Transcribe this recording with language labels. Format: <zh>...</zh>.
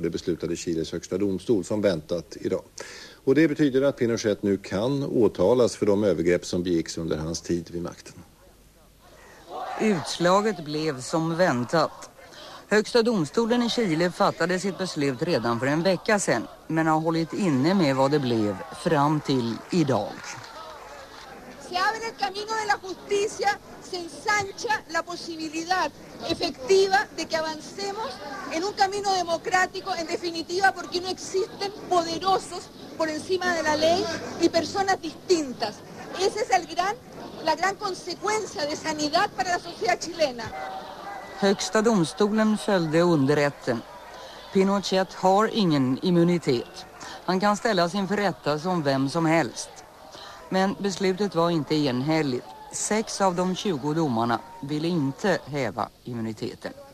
<sv>Det beslutade Chiles högsta domstol som väntat idag. Och det betyder att Pinochet nu kan åtalas för de övergrepp som begicks under hans tid vid makten. Utslaget blev som väntat. Högsta domstolen i Chile fattade sitt beslut redan för en vecka sedan, men har hållit inne med vad det blev fram till idag.</sv> <es>Se abre el camino de la justicia, se ensancha la posibilidad efectiva de que avancemos en un camino democrático, en definitiva porque no existen poderosos por encima de la ley y personas distintas. Ese es el gran, la gran consecuencia de sanidad para la sociedad chilena.</es> <sv>Högsta domstolen följde underrätten. Pinochet har ingen immunitet. Han kan ställa sin förrätta som vem som helst. Men beslutet var inte enhälligt. 6 av de 20 domarna ville inte häva immuniteten.</sv>